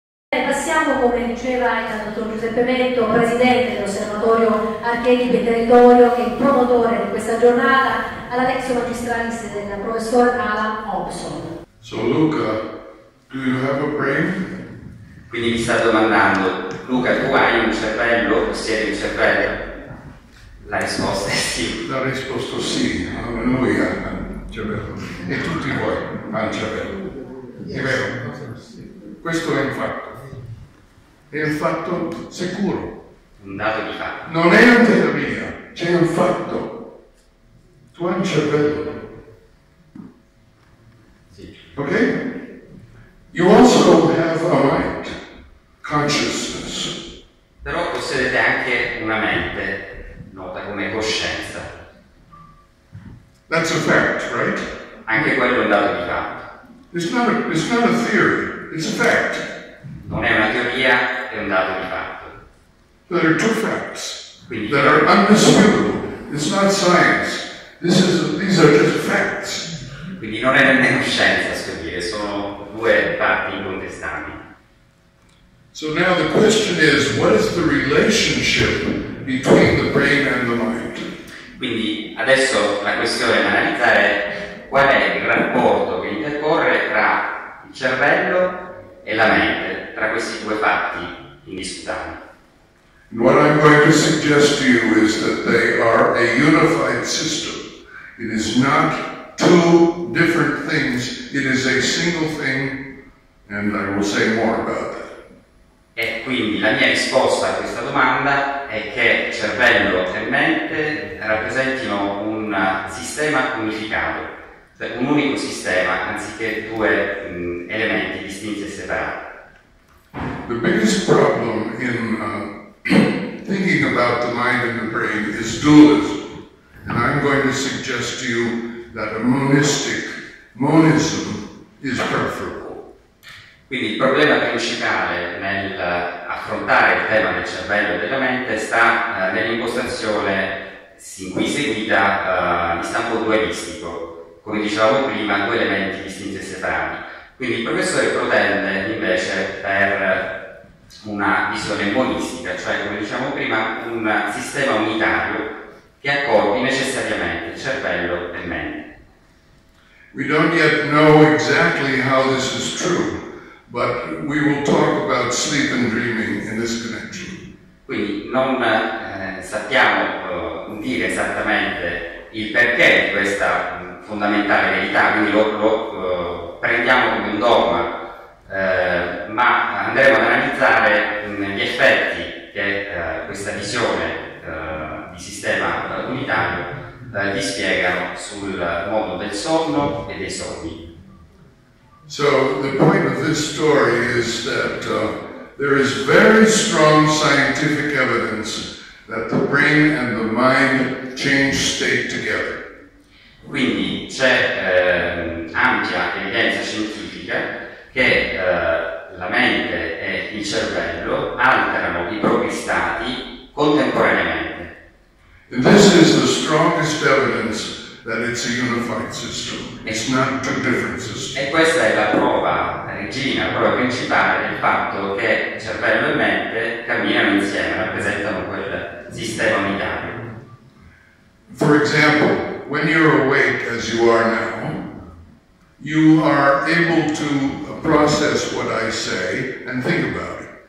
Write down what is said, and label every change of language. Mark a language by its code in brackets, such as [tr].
[it] Passiamo, come diceva il dottor Giuseppe Metto, presidente dell'Osservatorio Archeti del Territorio e promotore di questa giornata, alla Lex Magistralis del professor Alan Hobson. [en] So Luca, do you have a brain? [it] Quindi mi sta domandando, Luca, tu hai un cervello, possiedi un cervello? La risposta è sì. La risposta è sì, noi abbiamo un cervello e tutti voi hanno un cervello. È vero? Questo è un fatto. È un fatto sicuro. Un dato di fatto. Non è una teoria, c'è un fatto. Tu hai un cervello. Sì. Ok? [en] You also have a mind, consciousness. [it] Però possedete anche una mente, nota come coscienza. [en] That's a fact, right? [it] Anche quello è un dato di fatto. [en] It's not a theory, it's a fact. [it] Non è una teoria, è un dato di fatto. [en] There are two facts that are undisputable. It's not science. These are just facts. [it] Quindi non è nemmeno scienza, scoprire, sono due parti incontestabili. [en] So now the question is, what is the relationship between the brain and the mind? [it] Quindi adesso la questione da analizzare è qual è il rapporto che intercorre tra il cervello e la mente, tra questi due fatti indiscutibili. [en] And what I'm going to suggest to you is that they are a unified system. It is not two different things, it is a single thing, and I will say more about that. [it] E quindi la mia risposta a questa domanda è che cervello e mente rappresentino un sistema unificato, cioè un unico sistema, anziché due elementi distinti e separati. [en] The biggest problem in thinking about the mind and the brain is dualism, and I'm going to suggest to you that a monistic monism is preferable. [it] Quindi il problema principale nel affrontare il tema del cervello e della mente sta nell'impostazione sin qui seguita di stampo dualistico, come dicevamo prima, due elementi distinti e separati. Quindi il professore protende invece per una visione monistica, cioè come diciamo prima, un sistema unitario che accordi necessariamente il cervello e mente. [en] We don't yet know exactly how this is true, but we will talk about sleep and dreaming in this connection. [it] Quindi non sappiamo dire esattamente il perché di questa fondamentale verità, quindi lo prendiamo come un dogma, ma andremo ad analizzare gli effetti che questa visione di sistema unitario gli spiegano sul mondo del sonno e dei sogni. [en] So the point of this story is that there is very strong scientific evidence that the brain and the mind change state together. [it] Quindi c'è ampia evidenza scientifica che la mente e il cervello alterano i propri stati contemporaneamente. [en] And this is the strongest evidence that it's a unified system. It's not two different systems. [it] E questa è la prova, la regina, la prova principale del fatto che cervello e mente camminano insieme, rappresentano quel sistema unitario. [en] For example, when you're awake as you are now, you are able to process what I say and think about it.